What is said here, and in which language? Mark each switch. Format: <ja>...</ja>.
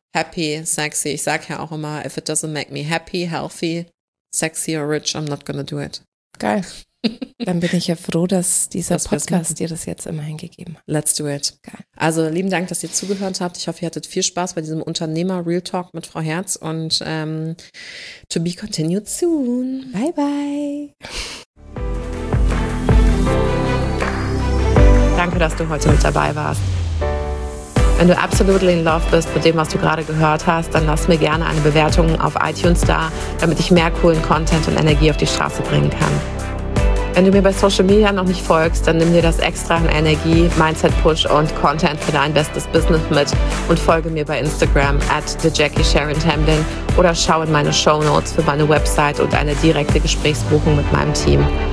<en>Happy, sexy.</en> <de>Ich sag ja auch immer,</de> <en>if it doesn't make me happy, healthy, sexy or rich, I'm not gonna do it.</en> <de>Geil. Dann bin ich ja froh, dass dieser Podcast dir das jetzt immerhin gegeben hat.</de> <en>Let's do it.</en> <de>Geil. Also lieben Dank, dass ihr zugehört habt. Ich hoffe, ihr hattet viel Spaß bei diesem Unternehmer-Real Talk mit Frau Herz.</de> <en>Und to be continued soon. Bye, bye.</en> <de>Danke, dass du heute mit dabei warst. Wenn du absolut in love bist mit dem, was du gerade gehört hast, dann lass mir gerne eine Bewertung auf iTunes da, damit ich mehr coolen Content und Energie auf die Straße bringen kann. Wenn du mir bei Social Media noch nicht folgst, dann nimm dir das extra an Energie, Mindset-Push und Content für dein bestes Business mit und folge mir bei Instagram @thejackiesharontamblyn oder schau in meine Shownotes für meine Website und eine direkte Gesprächsbuchung mit meinem Team.</de>